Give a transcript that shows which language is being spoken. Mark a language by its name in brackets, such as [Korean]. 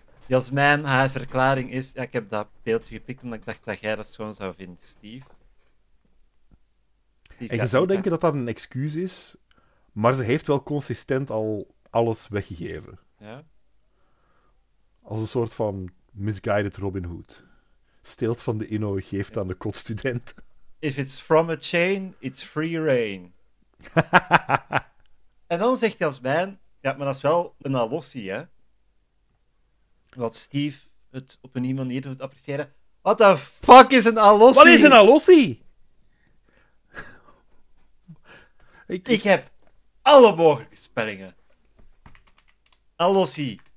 [Dutch] Jasmijn, haar verklaring is... Ja, ik heb dat beeldje gepikt omdat ik dacht dat jij dat gewoon zou vinden, Steve. En je zou denken dat dat een excuus is, maar ze heeft wel consistent al alles weggegeven. Ja. Als een soort van misguided Robin Hood. Steelt van de inno, geeft aan de kotstudent. [English] If it's from a chain, it's free rain. [Dutch] En dan zegt hij als mijn... Ja, maar dat is wel een allossie, hè. Wat Steve het op een nieuwe manier doet appreciëren. [English] What the fuck is een allossie? [Dutch] Wat is een allossie? Ik heb alle mogelijke spellingen. Allossie.